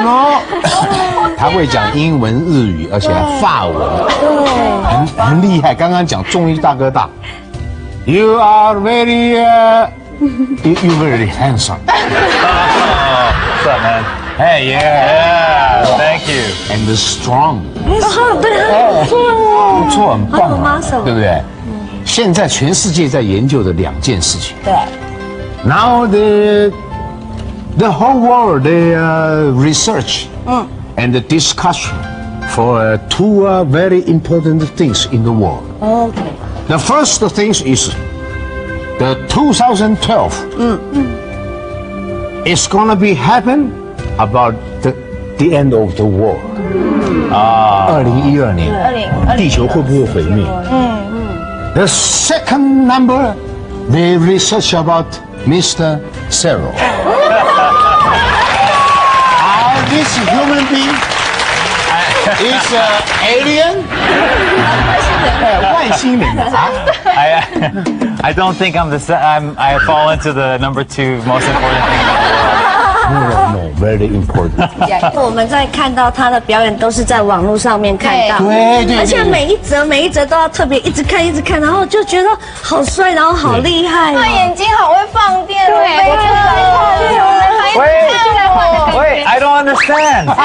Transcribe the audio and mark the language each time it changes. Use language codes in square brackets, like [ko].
[en] ， You know， [zh] 他会讲英文、日语，而且还法文，很厉害。刚刚讲综艺大哥大 ， [en] You are very， you very handsome， [zh] 帅男。 [en] Hey, yeah, thank you. And strong. [zh] 不错，很棒，对不对？现在全世界在研究的两件事情。对。 [en] Now the whole world they research and the discussion for two very important things in the world. Okay. The first thing is the 2012. It's gonna be happen. About the end of the world. [zh] 2012年地球会不会毁灭？ [en] The second number they research about Mr. Cyril. this human being is an alien? [zh] 外星人啊。 [en] I don't think I fall into the number two most important thing. No, very important. [zh] 因为我们在看到他的表演都是在网络上面看到，对对，而且每一则每一则都要特别一直看一直看，然后就觉得好帅，然后好厉害，他眼睛好会放电，对，我真的很厉害。 [en] Wait, I don't understand.